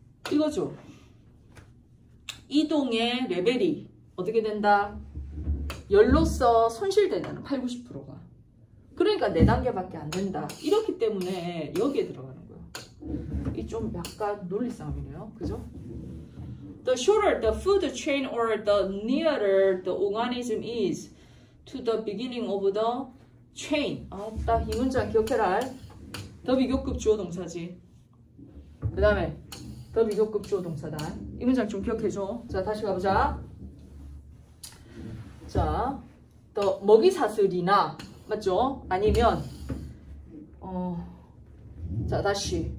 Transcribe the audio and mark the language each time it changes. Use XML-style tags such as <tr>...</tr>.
<ko>이거죠. 이동의 레벨이 어떻게 된다? 열로서 손실되는 80-90%가. 그러니까 4단계밖에 안 된다. 이렇기 때문에 여기에 들어가는 거야. 이 좀 약간 논리싸움이네요. 그죠?</ko> <en>The shorter the food chain or the nearer the organism is to the beginning of the chain.</en> <ko>아따, 이 문장 기억해라. 더 비교급 주어 동사지. 그 다음에 더 비교급 주어 동사다. 이 문장 좀 기억해줘. 자, 다시 가보자. 자, 더 먹이 사슬이나, 맞죠? 아니면, 자, 다시.</ko>